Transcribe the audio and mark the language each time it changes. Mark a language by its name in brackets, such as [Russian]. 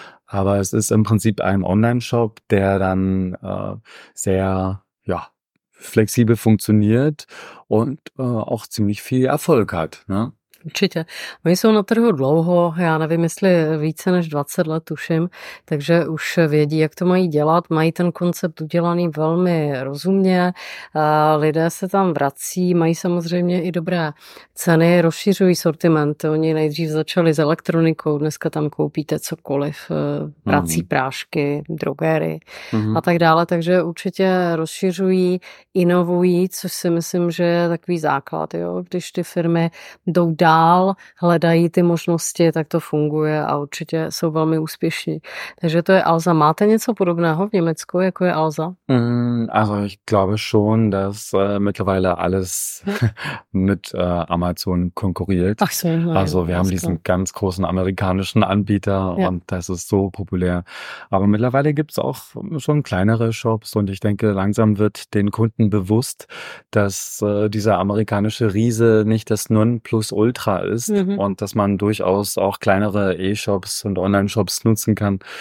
[German] Aber es ist im Prinzip ein Online-Shop, der dann sehr, ja, flexibel funktioniert und auch ziemlich viel Erfolg hat. Ne? [Czech] Určitě. Oni jsou na trhu dlouho, já nevím, jestli více než 20 let tuším, takže už vědí, jak to mají dělat. Mají ten koncept udělaný velmi rozumně, lidé se tam vrací, mají samozřejmě i dobré ceny, rozšiřují sortiment. Oni nejdřív začali s elektronikou, dneska tam koupíte cokoliv, prací prášky, drogéry a tak dále, takže určitě rozšiřují, inovují, což si myslím, že je takový základ, jo? Když ty firmy jdou dál, hledají ty možnosti, tak to funguje a určitě jsou velmi úspěšní. Takže to je Alza. Máte něco podobného v Německu, jako je Alza? [German] Also ich glaube schon, dass mittlerweile alles mit Amazon konkurriert. Ach so, nein, also wir haben diesen ganz großen amerikanischen Anbieter und das ist so populär. Aber mittlerweile gibt es auch schon kleinere Shops und ich denke, langsam wird den Kunden bewusst, dass dieser amerikanische Riese nicht das Nonplusultra ist und dass man durchaus auch kleinere E-Shops und Online-Shops nutzen kann.